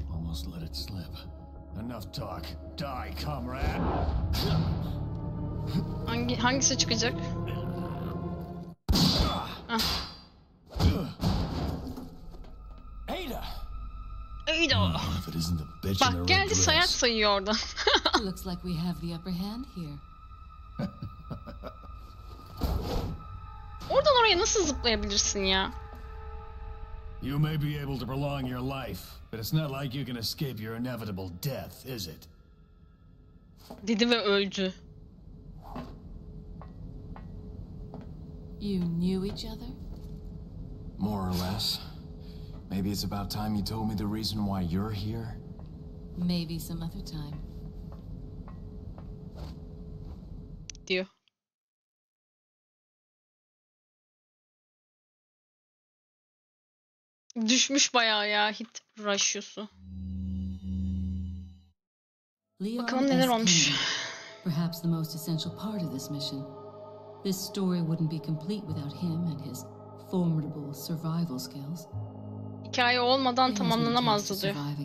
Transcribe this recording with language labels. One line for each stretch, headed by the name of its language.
English: Almost let it slip. Enough talk. Die, comrade.
Turkish: Hangisi çıkacak? Ada. Ada. Bak geldi, sayak sayıyor orada.
English: Looks like we have the upper hand here.
Turkish: Oradan oraya nasıl zıplayabilirsin ya?
English: You may be able to prolong your life, but it's not like you can escape your inevitable death, is it?
Turkish: Dedi ve öldü.
English: You knew each other? More or less. Maybe it's about time you told me the reason why you're here. Maybe some other time.
Turkish: Diyor. Düşmüş bayağı ya hit ratio'su. Bakalım neler olmuş.
English: Perhaps the most essential part of this mission. This story wouldn't be complete without him and his formidable survival skills.
Turkish: Hikaye olmadan tamamlanamazdı diyor.